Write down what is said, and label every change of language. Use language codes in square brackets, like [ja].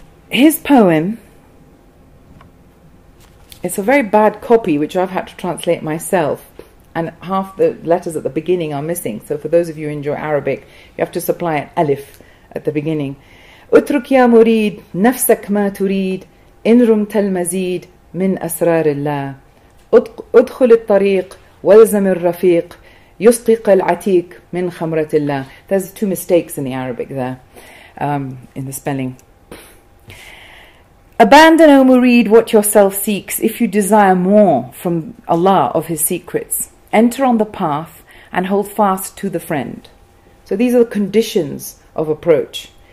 [en] his poem, it's a very bad copy, which I've had to translate myself, and half the letters at the beginning are missing. So for those of you who enjoy Arabic, you have to supply an alif at the beginning. [ar] اترك يا مريد نفسك ما تريد إن رمت المزيد من أسرار الله ادخل الطريق والزم الرفيق يسقيق العتيق من خمرة الله. [en] There's two mistakes in the Arabic there, in the spelling. Abandon, O Murid, what yourself seeks, if you desire more from Allah of His secrets. Enter on the path and hold fast to the friend. So these are the conditions of approach.